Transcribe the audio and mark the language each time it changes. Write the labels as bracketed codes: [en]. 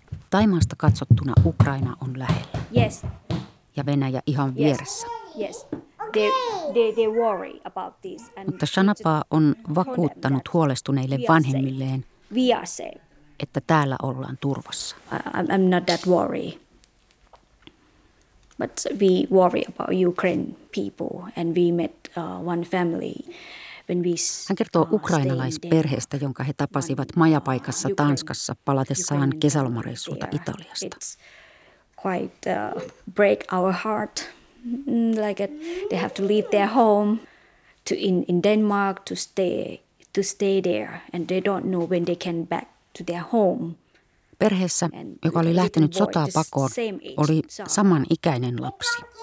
[fi] Taimaasta katsottuna Ukraina on lähellä. [en] Yes. [fi] Ja Venäjä ihan vieressä. [en] Yes. they worry about this. [fi] And mutta Shanapa on vakuuttanut huolestuneille vanhemmilleen, että täällä ollaan turvassa. [en] I'm not that worried. But we worry about Ukraine people and we met one family. [fi] Hän kertoo ukrainalaisperheestä, jonka he tapasivat majapaikassa Tanskassa palatessaan kesälomareissulta Italiasta. [en] Quite break our heart, like it. They have to leave their home to in Denmark to stay there, and they don't know when they can back to their home. [fi] Perheessä, joka oli lähtenyt sotaa pakoon, oli saman ikäinen lapsi.